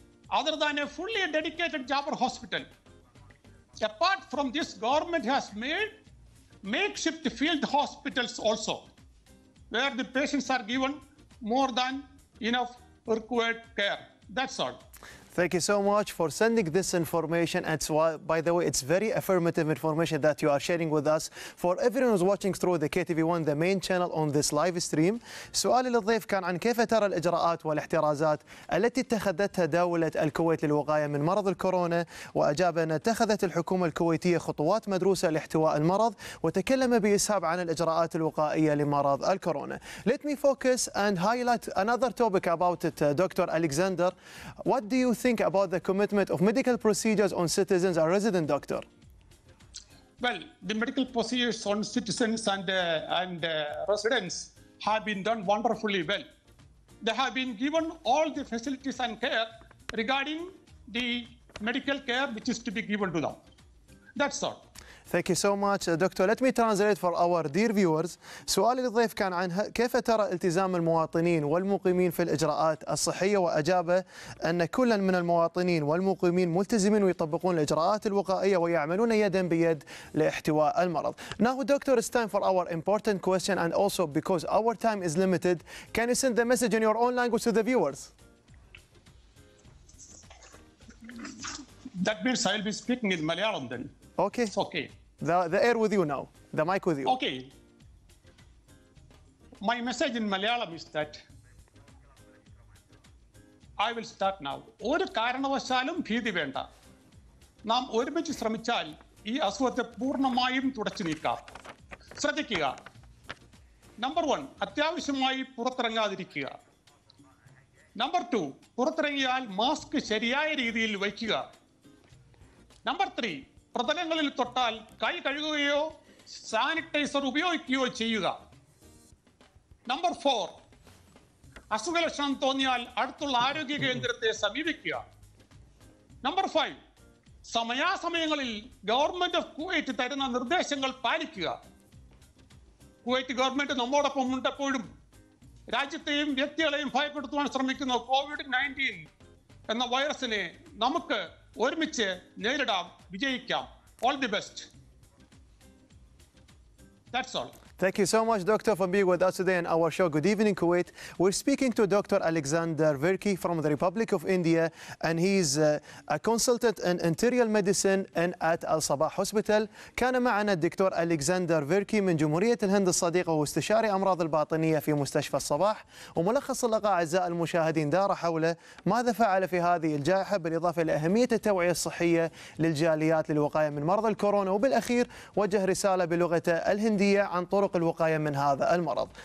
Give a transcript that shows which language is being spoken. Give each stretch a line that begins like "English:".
English: Other than a fully dedicated Jabar hospital. Apart from this, government has made makeshift field hospitals also, where the patients are given more than enough required care. That's all. Thank you so much for sending this information. It's, by the way, it's very affirmative information that you are sharing with us. For everyone who's watching through the KTV1, the main channel on this live stream,
Arabic: سؤال للضيف كان عن كيف ترى الإجراءات والاحترازات التي اتخذتها دولة الكويت للوقاية من مرض الكورونا؟ وأجاب أن اتخذت الحكومة الكويتية خطوات مدروسة لاحتواء المرض وتكلم بإسهاب عن الإجراءات الوقائية لمرض الكورونا.
English: Let me focus and highlight another topic about it, Dr. Alexander. What do you think about the commitment of medical procedures on citizens or resident doctor? Well, the medical procedures on citizens and residents have been done wonderfully well. They have been given all the facilities and care regarding the medical care which is to be given to them. That's all. Thank you so much, Doctor. Let me translate for our dear viewers.
Arabic: سؤال الضيف كان عن كيف ترى التزام المواطنين والمقيمين في الإجراءات الصحية؟ وأجاب أن كل من المواطنين والمقيمين ملتزمين ويطبقون الإجراءات الوقائية ويعملون يدا بيد لاحتواء المرض.
English: Now, Doctor, it's time for our important question, and also because our time is limited, can you send the message in your own language to the viewers? That means I'll be speaking in Malayalam then. Okay. It's okay. The air with you now. The mic with you. Okay. My message in Malayalam is that I will start now.
Malayalam: ഒരു കാരണവശാലും ഭീതി വേണ്ട. നാം ഒരുമിച്ച് ശ്രമിച്ചാൽ ഈ അസുഖത്തെ പൂർണ്ണമായും തുടച്ചു നീക്കാം. ശ്രദ്ധിക്കുക. നമ്പർ വൺ, അത്യാവശ്യമായി പുറത്തിറങ്ങാതിരിക്കുക. നമ്പർ ടു, പുറത്തിറങ്ങിയാൽ മാസ്ക് ശരിയായ രീതിയിൽ വയ്ക്കുക. നമ്പർ ത്രീ, പ്രതലങ്ങളിൽ തൊട്ടാൽ കൈ കഴുകുകയോ സാനിറ്റൈസർ ഉപയോഗിക്കുകയോ ചെയ്യുക. നമ്പർ ഫോർ, അസുഖലക്ഷണം തോന്നിയാൽ അടുത്തുള്ള ആരോഗ്യ കേന്ദ്രത്തെ സമീപിക്കുക. നമ്പർ ഫൈവ്, സമയാസമയങ്ങളിൽ ഗവൺമെൻറ് ഓഫ് കുവൈറ്റ് തരുന്ന നിർദ്ദേശങ്ങൾ പാലിക്കുക. കുവൈറ്റ് ഗവൺമെൻറ് നമ്മോടൊപ്പം ഉണ്ടപ്പോഴും രാജ്യത്തെയും വ്യക്തികളെയും ഭയപ്പെടുത്തുവാൻ ശ്രമിക്കുന്ന COVID-19 എന്ന വൈറസിനെ നമുക്ക് ഒരുമിച്ച് നേരിടാം, വിജയിക്കാം.
English: All the best. That's all. Thank you so much, Dr. for being with us today on our show. Good evening, Kuwait. We're speaking to Dr. Alexander Virki from the Republic of India, and he's a consultant in internal medicine and at Al Sabah Hospital.
Arabic: كان معنا الدكتور Alexander Virki من جمهورية الهند الصديقة واستشاري أمراض الباطنية في مستشفى الصباح. وملخص اللقاء أعزاء المشاهدين دار حوله ماذا فعل في هذه الجائحة، بالإضافة لأهمية التوعية الصحية للجاليات للوقاية من مرض الكورونا، وبالأخير وجه رسالة بلغته الهندية عن طرق الوقاية من هذا المرض.